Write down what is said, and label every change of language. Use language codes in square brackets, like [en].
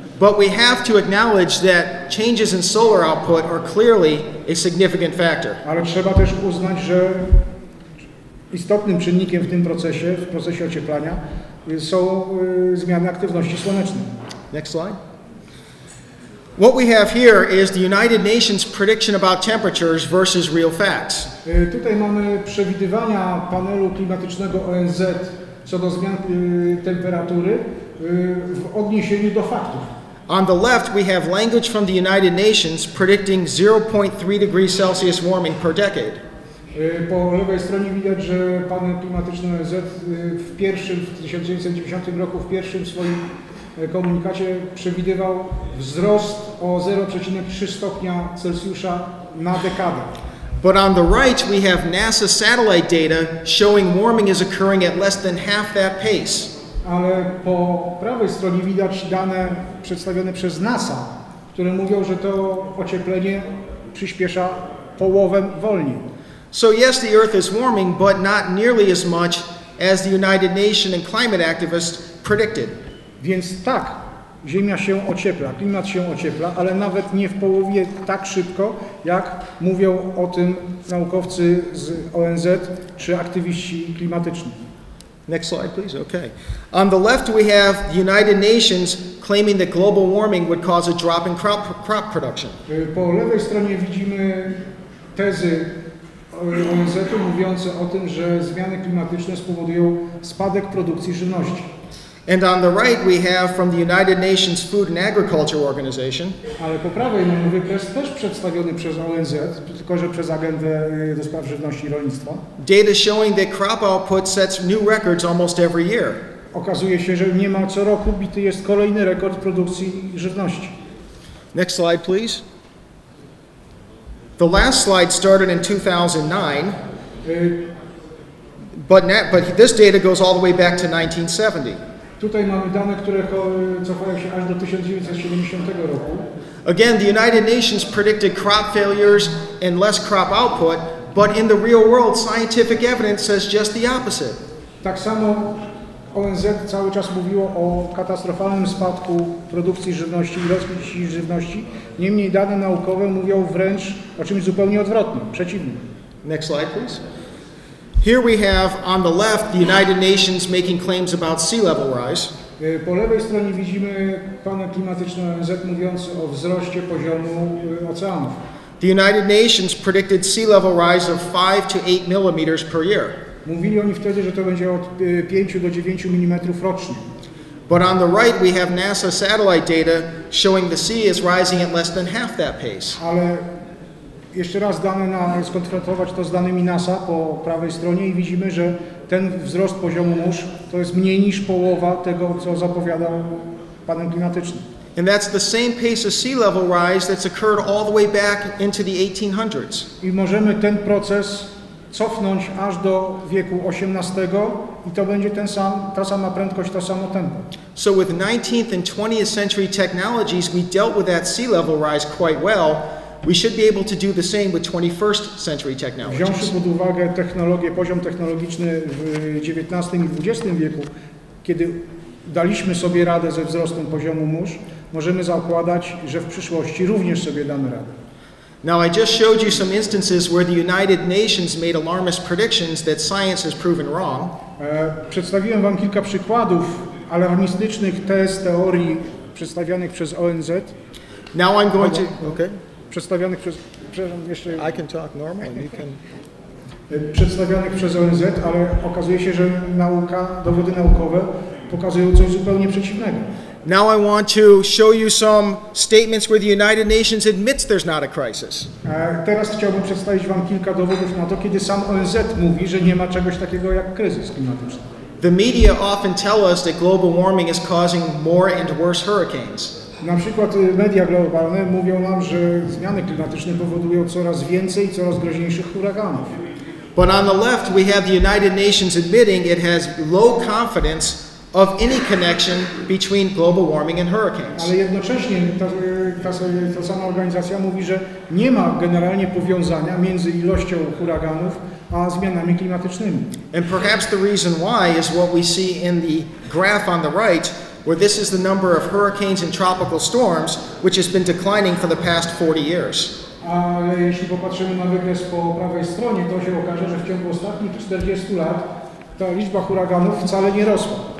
[en] But we have to acknowledge that changes in solar output are clearly a significant factor. [pl] Ale trzeba też uznać, że istotnym czynnikiem w tym procesie, w procesie ocieplania, są zmiany aktywności słonecznej. [en] Next slide. What we have here is the United Nations prediction about temperatures versus real facts. [pl] Tutaj mamy przewidywania panelu klimatycznego ONZ co do zmian temperatury w odniesieniu do faktów. [en] On the left we have language from the United Nations predicting 0.3 degrees Celsius warming per decade. [pl] Po lewej stronie widać, że panel klimatyczny ONZ w pierwszym, w 1990 roku, w pierwszym swoim komunikacie przewidywał wzrost o 0,3 stopnia Celsjusza na dekadę. [en] But on the right we have NASA satellite data showing warming is occurring at less than half that pace. [pl] Ale po prawej stronie widać dane przedstawione przez NASA, które mówią, że to ocieplenie przyspiesza połowę wolniej. [en] So yes, the Earth is warming, but not nearly as much as the United Nations and climate activists predicted. [pl] Więc tak, Ziemia się ociepla, klimat się ociepla, ale nawet nie w połowie tak szybko, jak mówią o tym naukowcy z ONZ czy aktywiści klimatyczni. [en] Next slide, please. Okay. On the left we have the United Nations claiming that global warming would cause a drop in crop production. [pl] Po lewej stronie widzimy tezy ONZ-u mówiące o tym, że zmiany klimatyczne spowodują spadek produkcji żywności. [en] And on the right we have from the United Nations Food and Agriculture Organization. [pl] Ale po prawej mamy wykres też przedstawiony przez ONZ, tylko że przez Agendę do spraw żywności i rolnictwa. [en] Data showing that crop output sets new records almost every year. [pl] Okazuje się, że niemal co roku bity jest kolejny rekord produkcji żywności. [en] Next slide, please. The last slide started in 2009. But this data goes all the way back to 1970. [pl] Tutaj mamy dane, które cofają się aż do 1970 roku. [en] Again, the United Nations predicted crop failures and less crop output, but in the real world, scientific evidence says just the opposite. [pl] Tak samo ONZ cały czas mówiło o katastrofalnym spadku produkcji żywności i rozkładzie żywności. Niemniej dane naukowe mówią wręcz o czymś zupełnie odwrotnym, przeciwnym. [en] Next slide, please. Here we have on the left the United Nations making claims about sea level rise. [pl] Po lewej stronie widzimy panel klimatyczny ONZ mówiący o wzroście poziomu oceanów. [en] The United Nations predicted sea level rise of 5 to 8 millimeters per year. [pl] Mówili oni wtedy, że to będzie od 5 do 9 mm rocznie. [en] But on the right we have NASA satellite data showing the sea is rising at less than half that pace. [pl] Ale jeszcze raz dane skonfrontować to z danymi NASA po prawej stronie i widzimy, że ten wzrost poziomu mórz to jest mniej niż połowa tego, co zapowiadał panel klimatyczny. [en] And that's the same pace of sea level rise that's occurred all the way back into the 1800s. [pl] I możemy ten proces cofnąć aż do wieku XVIII i to będzie ta sama prędkość, to samo tempo. [en] So with 19th and 20th century technologies we dealt with that sea level rise quite well. We should be able to do the same with 21st century technologies. [pl] Wziąwszy pod uwagę technologię, poziom technologiczny w XIX i XX wieku, kiedy daliśmy sobie radę ze wzrostem poziomu mórz, możemy zakładać, że w przyszłości również sobie damy radę. [en] Now I just showed you some instances where the United Nations made alarmist predictions that science has proven wrong. [pl] Przedstawiłem wam kilka przykładów alarmistycznych tez, teorii przedstawianych przez ONZ. [en] Now I'm going [pl] przedstawionych przez, jeszcze... [en] I can talk normally, you can... [pl] przedstawionych przez ONZ, ale okazuje się, że nauka, dowody naukowe pokazują coś zupełnie przeciwnego. [en] Now I want to show you some statements where the United Nations admits there's not a crisis. [pl] Teraz chciałbym przedstawić wam kilka dowodów na to, kiedy sam ONZ mówi, że nie ma czegoś takiego jak kryzys klimatyczny. [en] The media often tell us that global warming is causing more and worse hurricanes. [pl] Na przykład media globalne mówią nam, że zmiany klimatyczne powodują coraz więcej i coraz groźniejszych huraganów. [en] But on the left we have the United Nations admitting it has low confidence of any connection between global warming and hurricanes. [pl] Ale jednocześnie ta sama organizacja mówi, że nie ma generalnie powiązania między ilością huraganów a zmianami klimatycznymi. [en] And perhaps the reason why is what we see in the graph on the right, where this is the number of hurricanes and tropical storms, which has been declining for the past 40 years. [pl] Ale jeśli popatrzymy na wykres po prawej stronie, to się okaże, że w ciągu ostatnich 40 lat ta liczba huraganów wcale nie rosła.